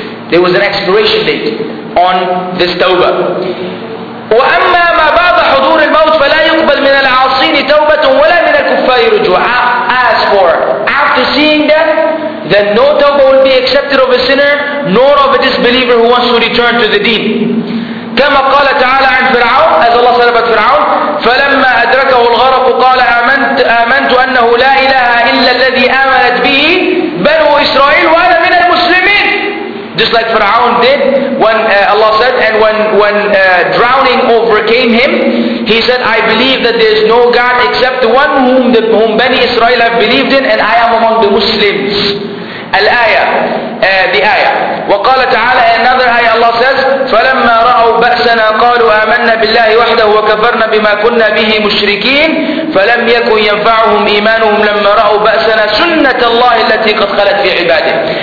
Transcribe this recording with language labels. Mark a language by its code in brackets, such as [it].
[en] There was an expiration date on this tawbah. [ar] وَأَمَّا مَا بَعْضَ حُضُورِ الْمَوْتِ فَلَا يُقْبَلْ مِنَ الْعَاصِينِ تَوْبَةٌ وَلَا مِنَ الْكُفَّارِ رُجُوعًا. [en] As for after seeing that, then no tawbah will be accepted of a sinner, nor of a disbeliever who wants to return to the deen. [ar] كما قال تعالى عن فرعون, [en] as Allah said about [ar] فرعون, فلما أدركه الغرق قال آمنت أنه لا إله إلا الذي آمنت به بنو إسرائيل وأنا من المسلمين. [en] Just like فرعون did when Allah said, and when drowning overcame him, he said, I believe that there is no God except the one whom Bani Israel have believed in, and I am among the Muslims. الآية, the ayah. [ar] وقال تعالى [en] another ayah Allah says [ar] فلما رأوا بأسنا قالوا آمنا بالله وحده وكفرنا بما كنا به مشركين فلم يكن ينفعهم إيمانهم لما رأوا بأسنا سنة الله التي قد خلت في عباده.